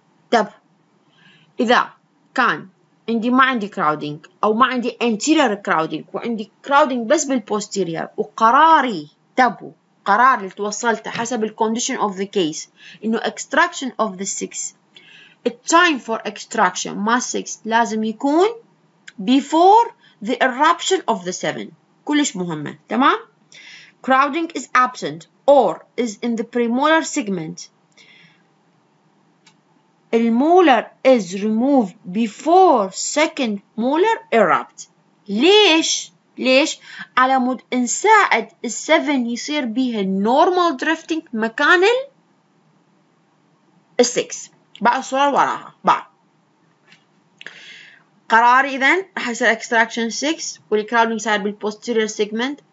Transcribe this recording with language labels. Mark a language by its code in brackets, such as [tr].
[ar] طب إذا كان عندي ما عندي كراودينج أو ما عندي anterior crowding وعندي crowding بس بالبوستيريور وقراري تبو قرار اللي توصلته حسب ال [en] condition of the case [ar] إنه [en] extraction of the 6، the time for extraction [ar] ما 6 لازم يكون [en] before the eruption of the 7، [ar] كلش مهمة. تمام؟ [en] crowding is absent or is in the premolar segment. المولر is removed before second molar erupt. [ar] ليش؟ ليش؟ على مود نساعد السفن يصير بيها normal drifting مكان ال 6. بعد الصورة وراها بعد قراري إذن رح يصير extraction 6 والcrowding صار بالposterior segment.